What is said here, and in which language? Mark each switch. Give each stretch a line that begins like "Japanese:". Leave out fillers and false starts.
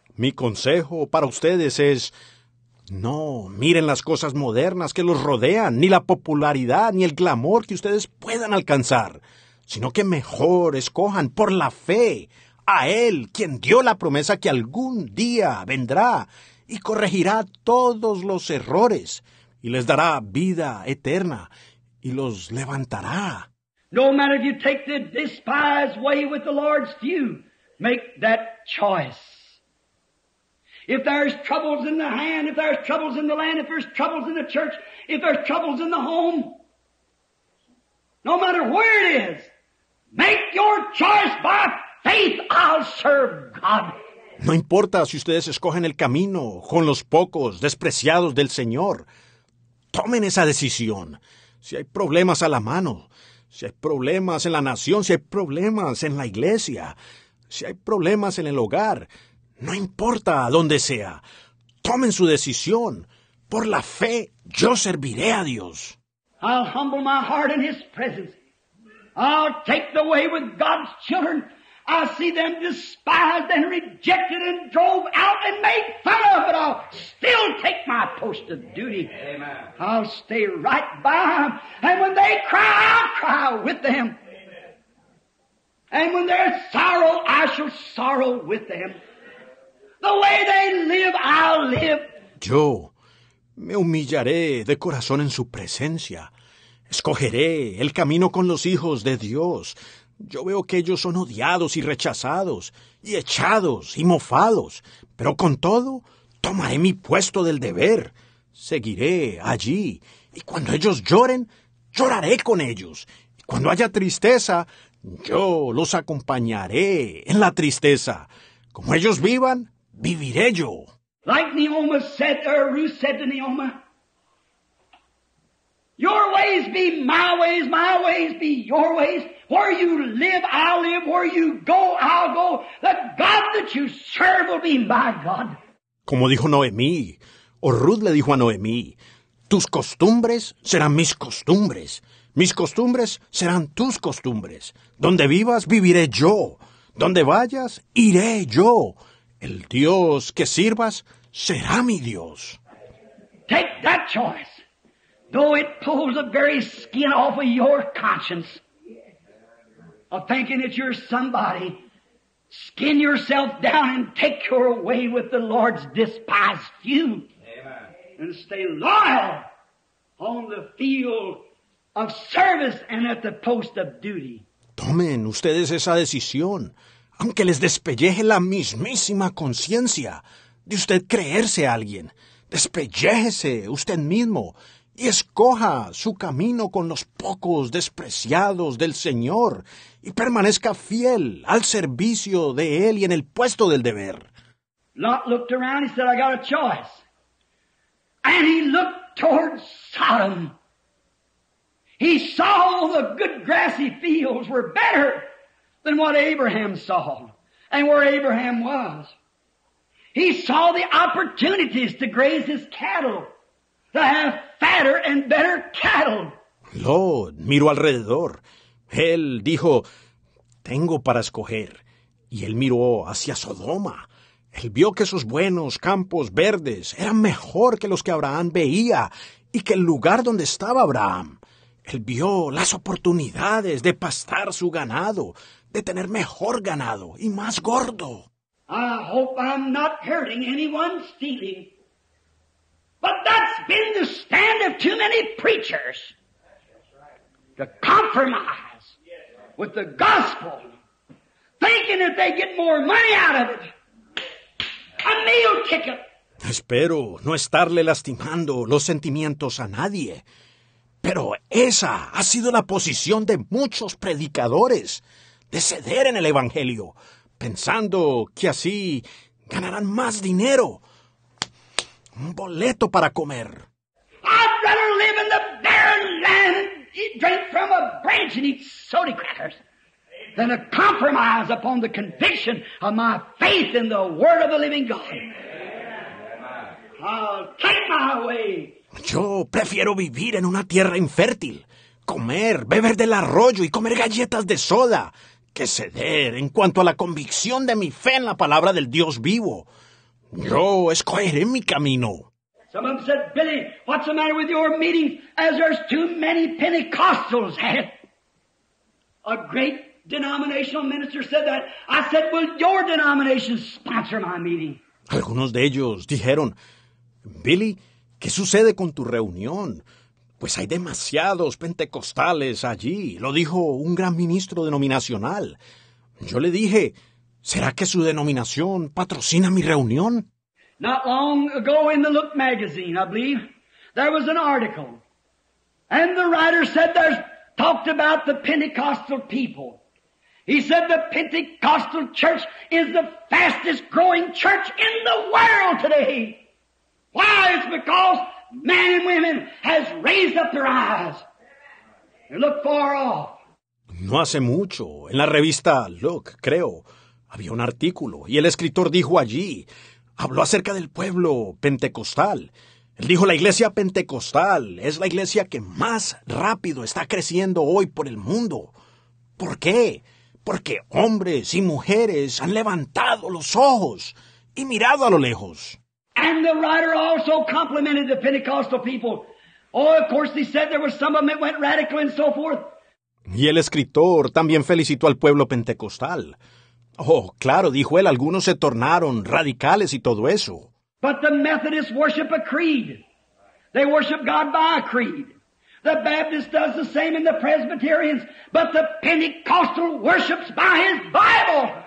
Spanish: Mi consejo para ustedes es, no miren las cosas modernas que los rodean, ni la popularidad, ni el glamour que ustedes puedan alcanzar, sino que mejor escojan por la fe a Él, quien dio la promesa que algún día vendrá y corregirá todos los errores y les dará vida eterna y los levantará.
English: No matter if you take the despised way with the Lord's view, make that choice. If there's troubles in the hand, if there's troubles in the land, if there's troubles in the church, if there's troubles in the home, no matter where it is, make your choice by faith, I'll serve God.
Spanish: No importa si ustedes escogen el camino con los pocos despreciados del Señor, tomen esa decisión. Si hay problemas a la mano, si hay problemas en la nación, si hay problemas en la iglesia, si hay problemas en el hogar, no importa a dónde sea, tomen su decisión. Por la fe, yo serviré a Dios.
English: I'll humble my heart in His presence. I'll take the way with God's children. I'll see them despised and rejected and drove out and made fun of, but I'll still take my post of duty. Amen. I'll stay right by them. And when they cry, I'll cry with them. Amen. And when they're sorrow, I shall sorrow with them. The way they live, I'll live.
Spanish: Yo me humillaré de corazón en su presencia. Escogeré el camino con los hijos de Dios, Yo veo que ellos son odiados y rechazados, y echados y mofados, pero con todo, tomaré mi puesto del deber. Seguiré allí, y cuando ellos lloren, lloraré con ellos. Y cuando haya tristeza, yo los acompañaré en la tristeza. Como ellos vivan, viviré yo.
English: Like Naoma said, or Ruth said to Naoma, your ways be my ways be your ways. Where you live, I'll live. Where you go, I'll go. The God that you serve will be my God.
Spanish: Como dijo Noemí, o Ruth le dijo a Noemí, tus costumbres serán mis costumbres. Mis costumbres serán tus costumbres. Donde vivas, viviré yo. Donde vayas, iré yo. El Dios que sirvas será mi Dios.
English: Take that choice. Though it pulls the very skin off of your conscience of thinking that you're somebody, skin yourself down and take your way with the Lord's despised few. Amen. And stay loyal on the field of service and at the post of duty.
Spanish: Tomen ustedes esa decisión, aunque les despelleje la mismísima conciencia de usted creerse a alguien. Despelléjese usted mismo y escoja su camino con los pocos despreciados del Señor y permanezca fiel al servicio de Él y en el puesto del deber.
English: Lot looked around, he said, I got a choice. And he looked towards Sodom. He saw the good grassy fields were better than what Abraham saw and where Abraham was. He saw the opportunities to graze his cattle, to have fatter and better cattle.
Spanish: Lot miró alrededor. Él dijo, tengo para escoger. Y él miró hacia Sodoma. Él vio que sus buenos campos verdes eran mejor que los que Abraham veía y que el lugar donde estaba Abraham. Él vio las oportunidades de pastar su ganado, de tener mejor ganado y más gordo.
English: I hope I'm not hurting anyone's feeling. But that's been the stand of too many preachers. To compromise with the gospel. Thinking that they get more money out of it. A meal ticket.
Spanish: Espero no estarle lastimando los sentimientos a nadie. Pero esa ha sido la posición de muchos predicadores. De ceder en el evangelio. Pensando que así ganarán más dinero. Un boleto para comer.
English: I'd rather live in the barren land and drink from a branch and eat soda crackers than a compromise upon the conviction of my faith in the word of the living God. I'll take my way.
Spanish: Yo prefiero vivir en una tierra infértil, comer, beber del arroyo y comer galletas de soda, que ceder en cuanto a la convicción de mi fe en la palabra del Dios vivo. Yo escogeré mi camino.
English: Some of them said, Billy, what's the matter with your meeting? As there's too many Pentecostals. A great denominational minister said that. I said, will your denomination sponsor my meeting?
Spanish: Algunos de ellos dijeron, Billy, ¿qué sucede con tu reunión? Pues hay demasiados pentecostales allí. Lo dijo un gran ministro denominacional. Yo le dije, ¿será que su denominación patrocina mi reunión?
English: Not long ago in the Look magazine, I believe, there was an article. And the writer said there's talked about the Pentecostal people. He said the Pentecostal church is the fastest growing church in the world today. Why? It's because men and women has raised up their eyes and look far off.
Spanish: No hace mucho, en la revista Look, creo, había un artículo, y el escritor dijo allí, habló acerca del pueblo pentecostal. Él dijo, la iglesia pentecostal es la iglesia que más rápido está creciendo hoy por el mundo. ¿Por qué? Porque hombres y mujeres han levantado los ojos y mirado a lo lejos.
English: And the writer also complimented the Pentecostal people. Oh, of course, he said there were some of them that went radical and so forth.
Spanish: Y el escritor también felicitó al pueblo pentecostal. Oh, claro, dijo él, algunos se tornaron radicales y todo eso.
English: But the Methodists worship a creed. They worship God by a creed. The Baptist does the same in the Presbyterians, but the Pentecostal worships by his Bible.